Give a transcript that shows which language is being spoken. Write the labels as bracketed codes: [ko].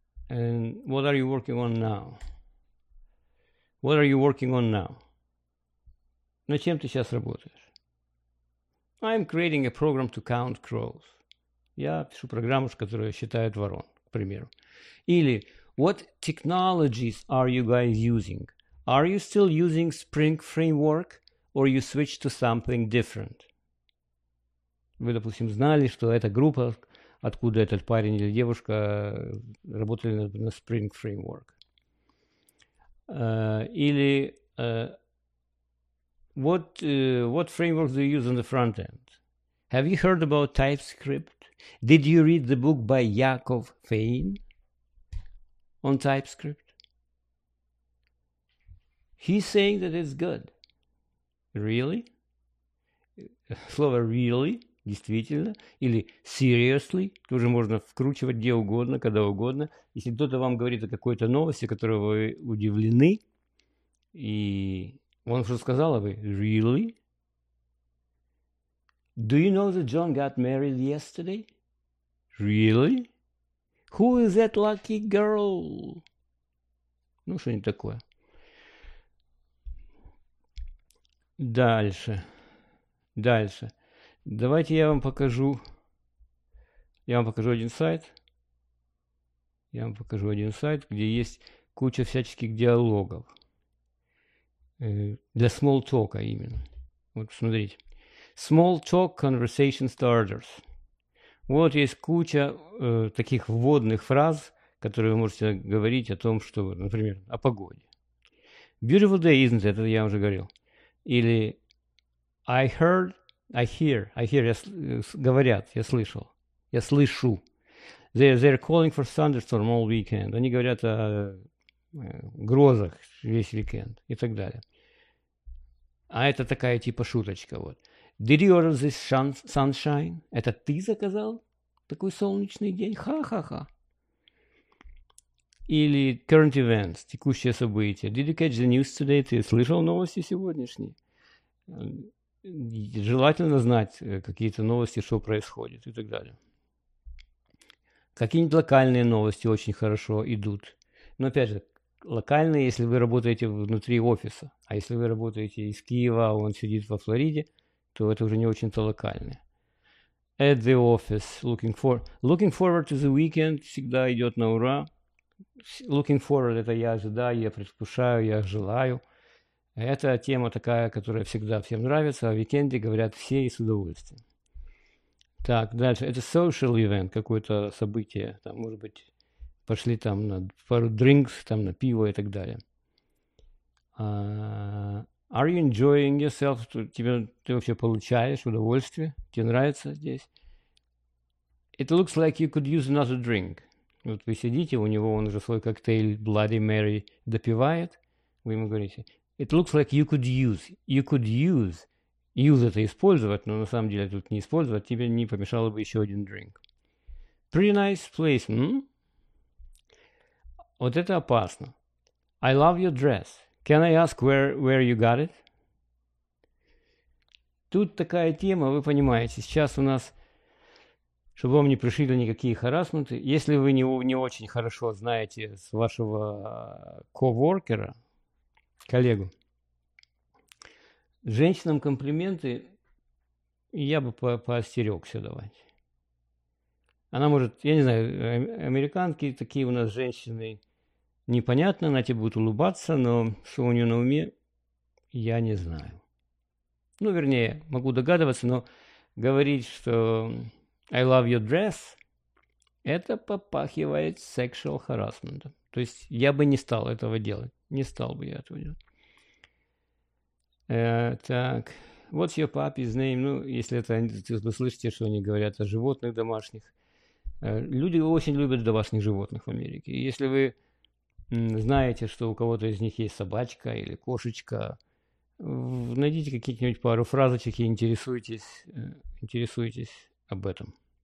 [en] And what are you working on now? What are you working on now? [ru] На чем ты сейчас работаешь? [en] I'm creating a program to count crows. [ru] Я пишу программу, которая считает ворон, к примеру. Или [en] What technologies are you guys using? Are you still using Spring Framework or you switch to something different? [ru] Вы, допустим, знали, что эта группа, откуда этот парень или девушка, работали на Spring Framework. Или [en] what frameworks do you use on the front end? Have you heard about TypeScript? Did you read the book by Яков Фейн on TypeScript? He's saying that it's good. Really? [ru] Слово really, действительно, или seriously, тоже можно вкручивать где угодно, когда угодно. Если кто-то вам говорит о какой-то новости, которой вы удивлены, и он что сказал, а вы really? [en] Do you know that John got married yesterday? Really? Who is that lucky girl? [ru] Ну, что-нибудь такое. Дальше. Давайте я вам покажу один сайт, где есть куча всяческих диалогов. Для small talk именно. Вот смотрите. [en] Small talk conversation starters. [ru] Вот есть куча таких вводных фраз, которые вы можете говорить о том, что, например, о погоде. [en] Beautiful day, isn't it? [ru] Это я уже говорил. Или I слышу. [en] They're calling for thunderstorm all weekend. [ru] Они говорят о грозах весь weekend и так далее. А это такая типа шуточка вот. [en] Did you order this sunshine? [ru] Это ты заказал такой солнечный день? Ха-ха-ха. Или [en] current events, [ru] текущие события. [en] Did you catch the news today? [ru] Ты слышал новости сегодняшние? Желательно знать какие-то новости, что происходит и так далее. Какие-нибудь локальные новости очень хорошо идут. Но опять же, локальные, если вы работаете внутри офиса. А если вы работаете из Киева, а он сидит во Флориде, то это уже не очень-то локальное. [en] At the office, looking forward to the weekend, [ru] всегда идет на ура. [en] Looking forward [ru] – это я ожидаю, я предвкушаю, я желаю. Это тема такая, которая всегда всем нравится, а в уикенде говорят все и с удовольствием. Так, дальше. Это [en] social event, [ru] какое-то событие. Там, может быть, пошли там на пару drinks, там на пиво и так далее. [en] Are you enjoying yourself? [ru] Ты вообще получаешь удовольствие? Тебе нравится здесь? [en] It looks like you could use another drink. [ru] Вот вы сидите, у него он уже свой коктейль Bloody Mary допивает. Вы ему говорите... [en] It looks like you could use. You could use. [ru] Use это использовать, но на самом деле тут не использовать. Тебе не помешало бы еще один drink. [en] Pretty nice place. [ru] Вот это опасно. [en] I love your dress. Can I ask where you got it? [ru] Тут такая тема, вы понимаете. Сейчас у нас, чтобы вам не пришили никакие харассменты, если вы не очень хорошо знаете вашего коворкера, коллегу. Женщинам комплименты я бы поостерегся давать. Она может, я не знаю, американки такие у нас женщины, непонятно, она тебе будет улыбаться, но что у нее на уме, я не знаю. Ну, вернее, могу догадываться, но говорить, что [en] I love your dress, [ru] это попахивает [en] sexual harassment. [ru] То есть я бы не стал этого делать, не стал бы я этого делать. Так, [en] what's your puppy's name? [ru] Ну, если это вы слышите, что они говорят о животных домашних. Люди очень любят домашних животных в Америке. И если вы знаете, что у кого-то из них есть собачка или кошечка, найдите какие-нибудь пару фразочек и интересуйтесь об этом.